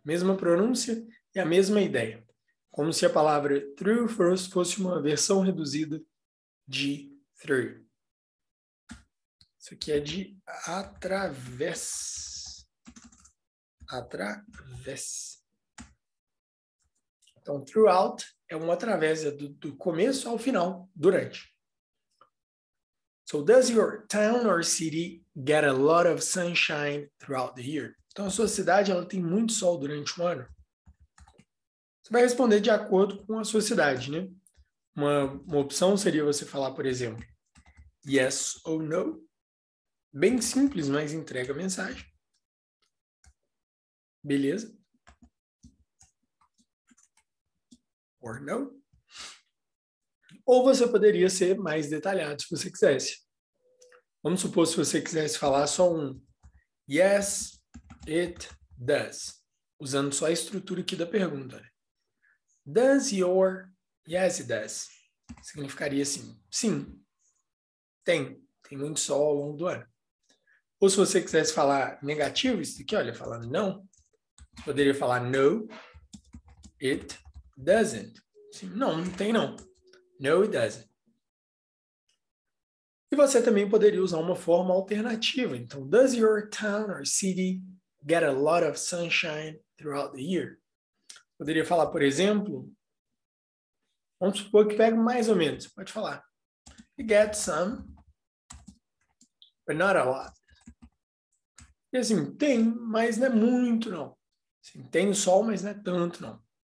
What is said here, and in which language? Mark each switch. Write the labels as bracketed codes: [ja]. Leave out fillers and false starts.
[pt] Mesma pronúncia e a mesma ideia. Como se a palavra through fosse uma versão reduzida de through. Isso aqui é de através. Através. Então, throughout é um através, é do começo ao final, durante. [en] So, does your town or city get a lot of sunshine throughout the year? [pt] Então, a sua cidade, ela tem muito sol durante um ano? Você vai responder de acordo com a sua cidade, né? Uma opção seria você falar, por exemplo, yes ou no. Bem simples, mas entrega a mensagem. Beleza? [en] Or no. [pt] Ou você poderia ser mais detalhado, se você quisesse. Vamos supor, se você quisesse falar só um [en] yes, it does. [pt] Usando só a estrutura aqui da pergunta. Does your... [en] Yes, it does. [pt] Significaria assim. Sim. Tem. Tem muito sol ao longo do ano. Ou se você quisesse falar negativo, isso aqui, olha, falando não. Poderia falar [en] no, it doesn't. [pt] Sim, não, não tem não. [en] No, it doesn't. [pt] E você também poderia usar uma forma alternativa. [en] Então, does your town or city get a lot of sunshine throughout the year? [pt] Poderia falar, por exemplo, vamos supor que pega mais ou menos, pode falar. [en] You get some, but not a lot. [pt] E assim, tem, mas não é muito, não. Assim, tem sol, mas não é tanto, não.